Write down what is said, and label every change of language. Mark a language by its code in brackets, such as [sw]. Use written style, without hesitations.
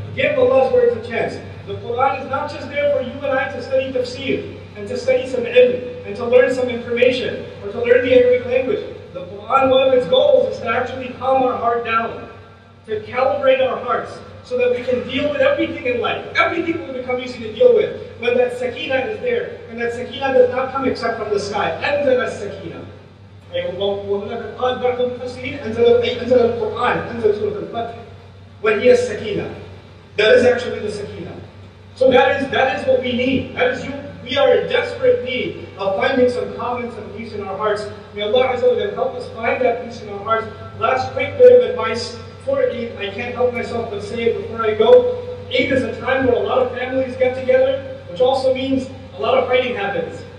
[en] Give Allah's words a chance. The Quran is not just there for you and I to study tafsir, and to study some ilm, and to learn some information, or to learn the Arabic language. The Quran, one of its goals is to actually calm our heart down, to calibrate our hearts, so that we can deal with everything in life, everything will become easy to deal with, when that sakina is there, and that sakina does not come except from the sky. [ar] أنزل السكينة. قال بعض المفسرين أنزل القرآن أنزل سورة الفتح. [en] When he has sakina, that is actually the sakina. So that is what we need. That is you. We are in desperate need of finding some calm and some peace in our hearts. May Allah Azza wa Jalla help us find that peace in our hearts. Last quick bit of advice for Eid. I can't help myself but say it before I go. Eid is a time where a lot of families get together, which also means a lot of fighting happens.